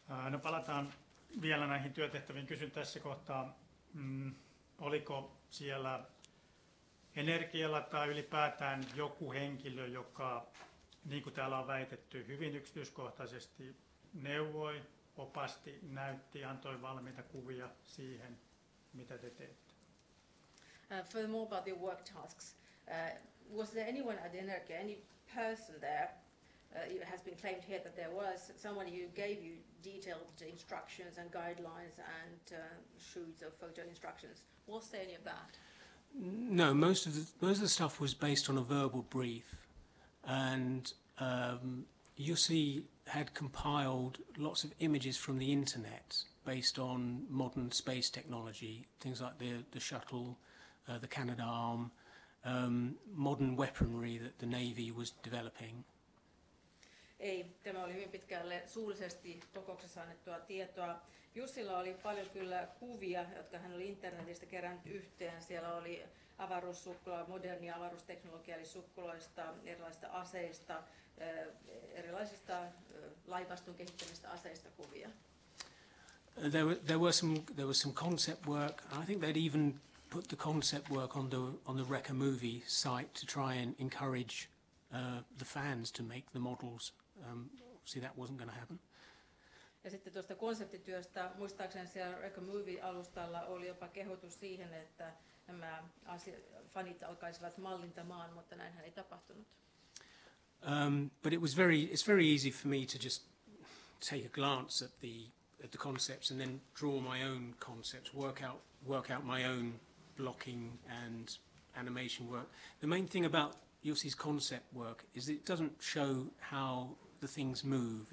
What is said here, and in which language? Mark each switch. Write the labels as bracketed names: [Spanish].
[Finnish] No palataan vielä näihin työtehtäviin. Kysyn tässä kohtaa, oliko siellä energialla tai ylipäätään joku henkilö, joka, niin kuin täällä on väitetty, hyvin yksityiskohtaisesti neuvoi, opasti, näytti, antoi valmiita kuvia siihen, mitä te teette? [English] Furthermore, about your work tasks, was there anyone at Energia, any person there, it has been claimed here that there was someone who gave you detailed instructions and guidelines and shoots of photo instructions, was there any of that? No, most of the stuff was based on a verbal brief, and Yussi had compiled lots of images from the internet based on modern space technology, things like the shuttle, the Canada arm, modern weaponry that the Navy was developing. [Finnish] Ei, tämä oli hyvin pitkälle suullisesti kokouksessa annettua tietoa. Jussilla oli paljon kyllä kuvia, jotka hän oli internetistä kerännyt yhteen. Siellä oli avaruussukkula, moderni avaruusteknologia, eli sukkuloista, erilaisista aseista, erilaisista laivaston kehittämistä aseista kuvia. [English] There was some concept work. I think they'd even put the concept work on the Wrecker movie site to try and encourage the fans to make the models. See, that wasn't going to happen. [Finnish] Ja sitten tuosta konseptityöstä, muistaakseni siellä Wrecker movie -alustalla oli jopa kehotus siihen, että nämä fanit alkaisivat mallintamaan, mutta näinhän ei tapahtunut. [English] But it's very easy for me to just take a glance at the concepts and then draw my own concepts, work out my own blocking and animation work. The main thing about Yussi's concept work is it doesn't show how the things move.